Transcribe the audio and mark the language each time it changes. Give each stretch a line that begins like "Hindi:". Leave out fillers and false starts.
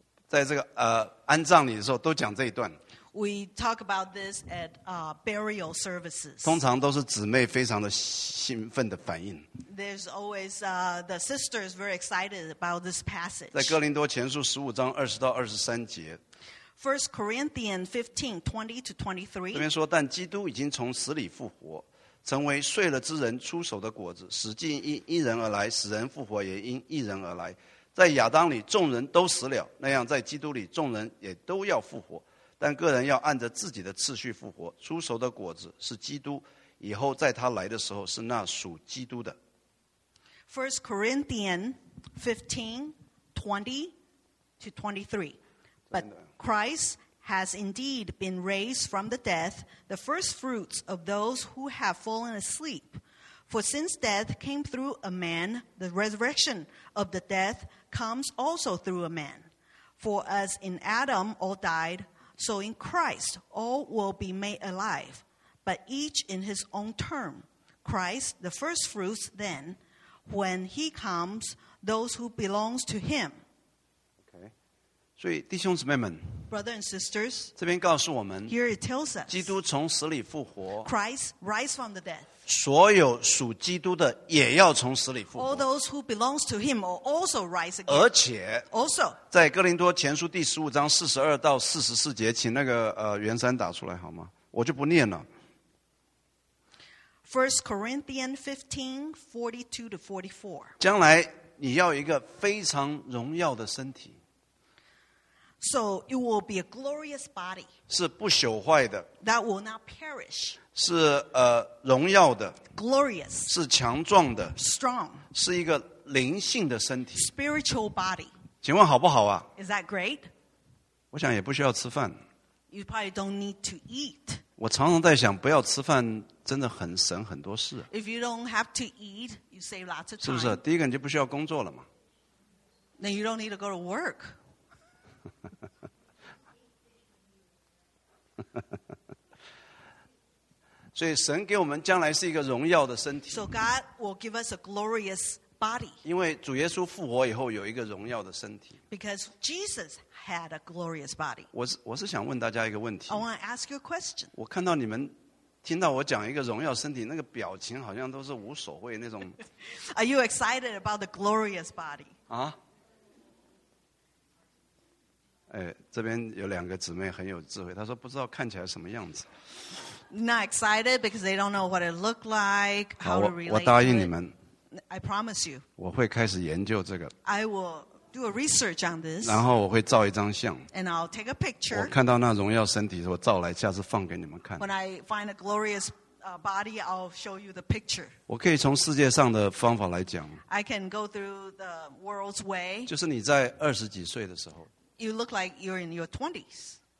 Chinese: 我每次在这个, 安葬礼的时候, 都讲这一段,
English: we talk about this at burial services.
Chinese: 通常都是姊妹非常的兴奋的反应,
English: there's always the sisters very excited about this passage.
Chinese: 在哥林多前书15章20到23节,
English: 1 Corinthians 15, 20-23,
Chinese: 这边说, 但基督已经从死里复活, 成为睡了之人出手的果子,实际因一人而来,使人复活也因一人而来。在亚当里众人都死了,那样在基督里众人也都要复活,但个人要按着自己的次序复活,出手的果子是基督,以后在他来的时候是那属基督的。1
English: Corinthians 15:20-23. But Christ has indeed been raised from the death, the first fruits of those who have fallen asleep. For since death came through a man, the resurrection of the dead comes also through a man. For as in Adam all died, so in Christ all will be made alive, but each in his own term. Christ, the first fruits, then, when he comes, those who belong to him.
Chinese: 所以弟兄姊妹们,
English: Brother and sisters,
Chinese: 这边告诉我们,
English: here it tells us,
Chinese: 基督从死里复活,
English: Christ rise from the dead.
Chinese: 所有属基督的也要从死里复活,
English: all those who belong to him will also rise again.
Chinese: 而且,
English: also,
Chinese: 在哥林多前书第15章42到44节, 请那个袁山打出来好吗? 我就不念了。
English: 1 Corinthians 15, 42-44
Chinese: 将来你要一个非常荣耀的身体,
English: so it will be a glorious body.
Chinese: 是不朽坏的,
English: that will not perish.
Chinese: 是荣耀的,
English: glorious.
Chinese: 是强壮的,
English: strong.
Chinese: 是一个灵性的身体,
English: spiritual body.
Chinese: 请问好不好啊?
English: Is that great?
Chinese: 我想也不需要吃饭。
English: You probably don't need to eat.
Chinese: 我常常在想不要吃饭真的很省很多事。
English: If you don't have to eat, you save lots of time.
Chinese: 是不是? 第一个你就不需要工作了嘛。
English: Then you don't need to go to work.
Chinese: 所以神给我们将来是一个荣耀的身体。
English: So God will give us a glorious body.
Chinese: 因为主耶稣复活以后有一个荣耀的身体。
English: Because Jesus had a glorious body.
Chinese: 我是想问大家一个问题。
English: I want to ask you a question.
Chinese: 我看到你们听到我讲一个荣耀身体，那个表情好像都是无所谓那种。
English: Are you excited about the glorious body?
Chinese: 啊？这边有两个姊妹很有智慧，她说不知道看起来什么样子。
English: Not excited because they don't know what it looked like, how to relate.
Chinese: 我答应你们。
English: I promise you.
Chinese: 我会开始研究这个。
English: I will do a research on this.
Chinese: 然后我会照一张相。
English: And I'll take a picture.
Chinese: 我看到那荣耀身体，我照来，下次放给你们看。
English: When I find a glorious body, I'll show you the picture.
Chinese: 我可以从世界上的方法来讲。
English: I can go through the world's way.
Chinese: 就是你在20几岁的时候。
English: You look like you're in your 20s.